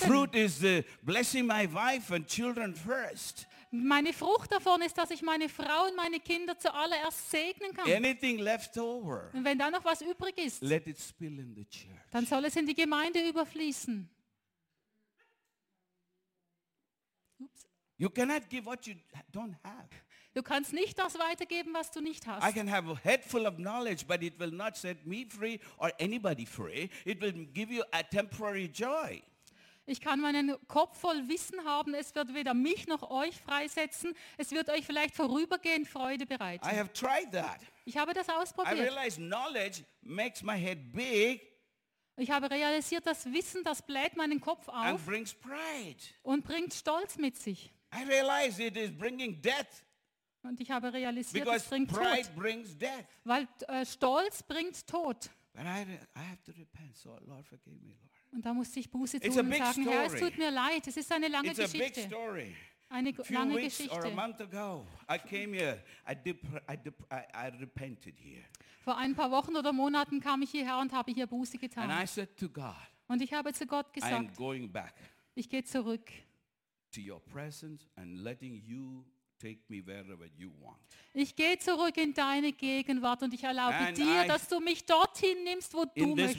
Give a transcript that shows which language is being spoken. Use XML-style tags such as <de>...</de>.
<en>My fruit is blessing my wife and children first.</en> <de>Meine Frucht davon ist, dass ich meine Frau und meine Kinder zuallererst segnen kann.</de> <en>Anything left over,</en> <de>und wenn da noch was übrig ist,</de> <en>let it spill in the church.</en> <de>Dann soll es in die Gemeinde überfließen.</de> <en>You cannot give what you don't have.</en> <de>Du kannst nicht das weitergeben, was du nicht hast.</de> <en>I can have a head full of knowledge, but it will not set me free or anybody free. It will give you a temporary joy.</en> <de>Ich kann meinen Kopf voll Wissen haben, es wird weder mich noch euch freisetzen, es wird euch vielleicht vorübergehend Freude bereiten.</de> <en>I have tried that.</en> <de>Ich habe das ausprobiert.</de> <en>I realize knowledge makes my head big.</en> <de>Ich habe realisiert, dass Wissen, das bläht meinen Kopf auf</de> <en>and brings pride.</en> <de>Und bringt Stolz mit sich.</de> <en>I realize it is bringing death.</en> <de>Und ich habe realisiert,</de> <en>because</en> <de>es bringt</de> <en>pride</en> <de>Tod.</de> <en>Brings death.</en> <de>Weil Stolz bringt Tod.</de> <en>But I have to repent, so Lord forgive me, Lord.</en> <de>Und da musste ich Buße tun und sagen, Herr, es tut mir leid, es ist eine lange</de> <en>It's</en> <de>Geschichte. Eine lange Geschichte.</de> <en>Or a month ago, I came here, I repented here.</en> <de>Vor ein paar Wochen oder Monaten kam ich hierher und habe hier Buße getan.</de> <en>And I said to God,</en> <de>und ich habe zu Gott gesagt,</de> <en>I am going back</en> <de>ich gehe zurück</de> <en>to your presence and letting you take me wherever you want.</en> <de>Ich gehe zurück in deine Gegenwart und ich erlaube dir, dass du mich dorthin nimmst, wo du möchtest.</de>